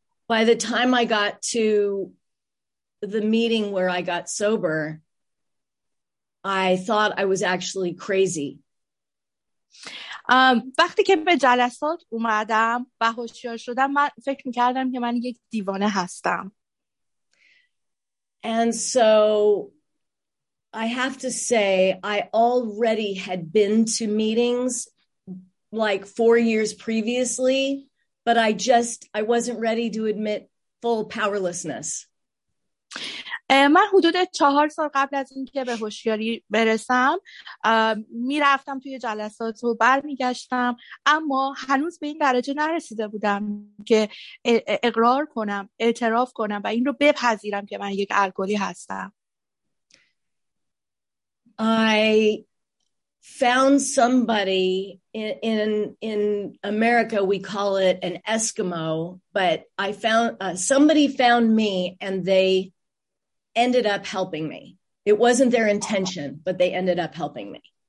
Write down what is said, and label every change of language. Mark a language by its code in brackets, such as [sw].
[en] By the time I got to the meeting where I got sober, I thought I was actually crazy. [fa] وقتی که به جلسات اومدم و هوشیار شدم من فکر می‌کردم که من یک دیوانه هستم. [en] And so I have to say I already had been to meetings like 4 years previously. But I wasn't ready to admit full powerlessness. [fa] من حدود 4 سال قبل از اینکه به هوشیاری برسم میرفتم توی جلسات و برمیگشتم، اما هنوز به این درجه نرسیده بودم که اقرار کنم، اعتراف کنم و این رو بپذیرم که من یک الکلی هستم. [en] I found somebody in America, we call it an Eskimo, but I found somebody found me and they ended up helping me. It wasn't their intention, but they ended up helping me.